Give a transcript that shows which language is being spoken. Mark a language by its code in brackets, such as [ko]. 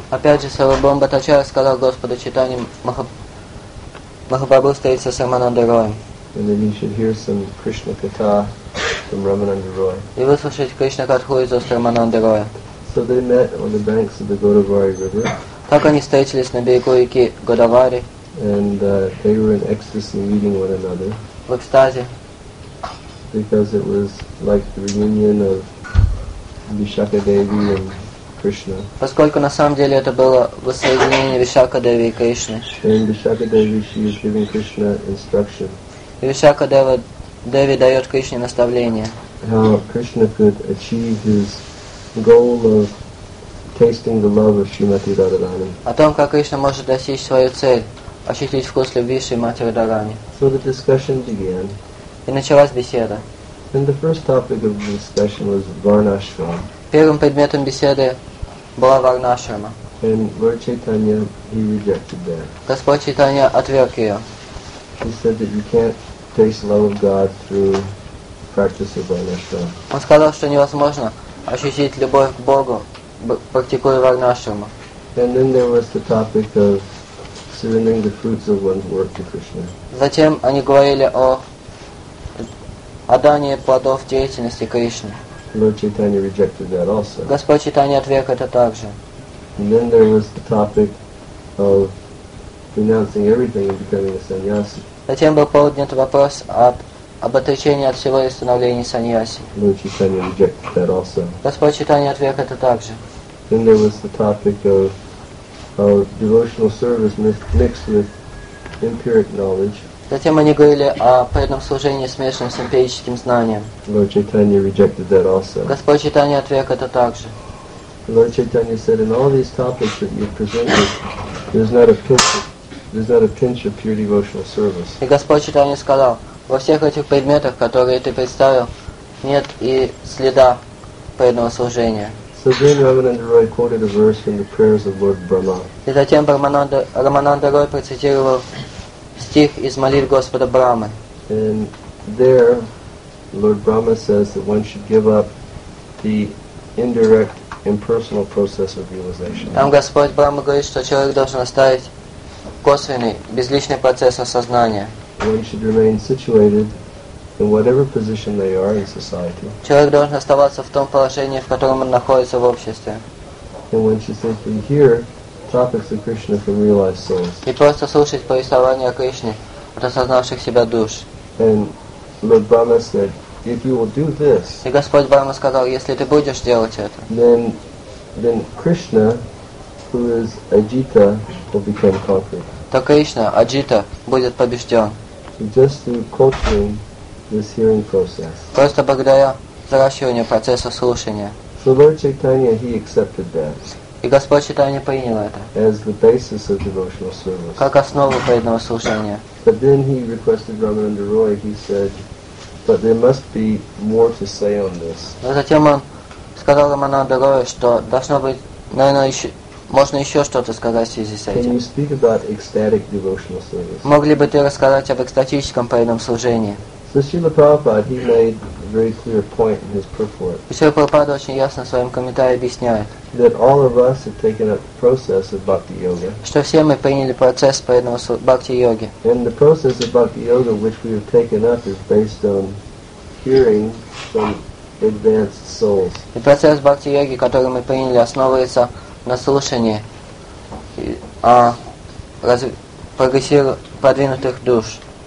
[ru] Опять же, Сарвабхум Бхаттачарья сказал Господу Чайтанье Махапрабху встретиться с Рамананда Роем. [en] And then he should hear some Krishna Katha from Ramananda Roy. [ru] И выслушать Кришна Катху из уст Рамананды Роя. [en] So they met on the banks of the Godavari River. [ru] Так они встретились на берегу реки Годавари. [en] And they were in ecstasy meeting one another. [ru] В экстазе. [en] Because it was like the reunion of Vishakha Devi and Krishna. [ru] Поскольку на самом деле это было воссоединение Вишакха Деви и Кришны. [en] And Vishakha Devi, she is giving Krishna instruction. [ru] И Вишакха Дева Деви дает Кришне наставление. [en] How Krishna could achieve his goal of tasting the love of Shrimati Radharani. [ru] О том, как Кришна может достичь свою цель, ощутить вкус любви Шримати Радхарани. [en] So the discussion began. [ru] И началась беседа. [en] And the first topic of the discussion was Varnashram. [ru] Первым предметом беседы была Варнашрама. [en] And Lord Chaitanya, he rejected that. [ru] Господь Чайтанья отверг ее. [en] He said that you can't taste love of God through practice of Varnashram. [ru] Он сказал, что невозможно ощутить любовь к Богу, практикуя Варнашрама. [en] And then there was the topic of surrendering the fruits of one's work to Krishna. [ru] Затем они говорили о отдании плодов деятельности Кришне. [en] Lord Chaitanya rejected that also. [ru] Господь Чайтанья отверг это также. [en] And then there was the topic of renouncing everything and becoming a sannyasi. [ru] Затем был поднят вопрос об отречении от всего и становлении саньяси. [en] Lord Chaitanya rejected that also. [ru] Господь Чайтанья отверг это также. [en] Then there was the topic of devotional service mixed with empiric knowledge. [ru] Затем они говорили о преданном служении, смешанном с эмпирическим знанием. [en] Lord Chaitanya rejected that also. [ru] Господь Чайтанья отверг это также. [en] Lord Chaitanya said, in all these topics that you've presented, there's not a pinch of pure devotional service. [ru] И Господь Чайтанья сказал, во всех этих предметах, которые ты представил, нет и следа преданного служения. [en] So then Ramananda Roy quoted a verse from the prayers of Lord Brahma. [ru] И затем Рамананда Рой процитировал стих из молитв Господа Брамы. [en] And there, Lord Brahma says that one should give up the indirect, impersonal process of realization. [ru] Там Господь Брама говорит, что человек должен оставить косвенный, безличный процесс осознания. [en] One should remain situated in whatever position they are in society. [ru] Человек должен оставаться в том положении, в котором он находится в обществе. [en] And one should simply hear topics of Krishna from realized souls. [ru] И просто слушать повествования о Кришне от осознавших себя душ. [en] And Lord Brahma said, if you will do this, [ru] и Господь Брама сказал, если ты будешь делать это, [en] then Krishna, who is Ajita, will become conquered. [ru] То Кришна, Аджита, будет побежден. [en] So just through cultivating this hearing process. [ru] Просто благодаря взращиванию процесса слушания. [en] So Lord Chaitanya, he accepted that. [ru] И Господь Чайтанья принял это [en] as the basis of devotional service. [ru] Как основу преданного служения. [en] But then he requested Ramananda Roy, he said, but there must be more to say on this. [ru] Но затем он сказал Рамананда Роя, что должно быть, наверное, еще, можно еще что-то сказать в связи с этим. [en] Can you speak about ecstatic devotional service? [ru] Могли бы ты рассказать об экстатическом преданном служении? [en] So Srila Prabhupada, he made a very clear point in his purport. [ru] Srila Prabhupada очень ясно в своем комментарии объясняет, [en] that all of us have taken up the process of bhakti yoga. [ru] Что все мы приняли процесс преданного бхакти йоги. [en] And the process of bhakti yoga which we have taken up is based on hearing from advanced souls. [ru] И процесс бхакти йоги, который мы приняли, основывается на слушании продвинутых душ.